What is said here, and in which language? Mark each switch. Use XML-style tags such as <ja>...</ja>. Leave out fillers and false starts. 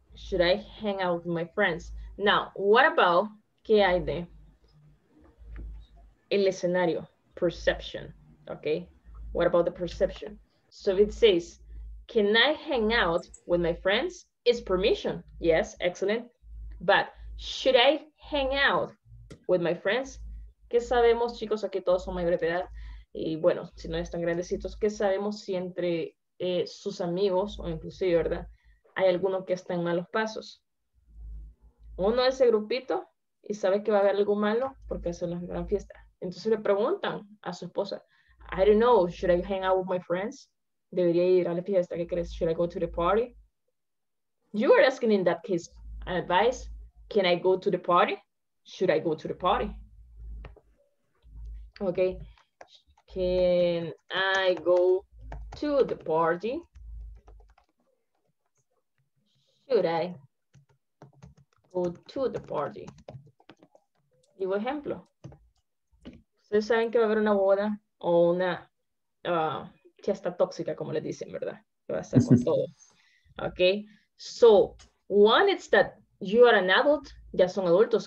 <en>Should I hang out with my friends? Now, what about</en> <es>qué hay de el escenario,</es> <en>perception, okay? What about the perception? So it says, can I hang out with my friends? It's permission. Yes, excellent. But should I hang out with my friends?</en> <es>¿Qué sabemos, chicos? Aquí todos son mayores de edad. Y bueno, si no están grandecitos, ¿qué sabemos si entre sus amigos, o inclusive, ¿verdad? Hay alguno que está en malos pasos. Uno de ese grupito y sabe que va a haber algo malo porque es una gran fiesta. Entonces le preguntan a su esposa,</es> <en>I don't know, should I hang out with my friends?</en> <es>¿Debería ir a la fiesta? ¿Qué crees?</es> <en>Should I go to the party? You are asking in that case advice, can I go to the party? Should I go to the party? Okay. Can I go to the party? Should I go to the party?</en> <es>Digo ejemplo. Ustedes saben que va a haber una boda o una fiesta tóxica, como le dicen, ¿verdad? Que va a estar con todo. Okay.</es> <en>So, one is that you are an adult,</en> <es>ya son adultos.</es>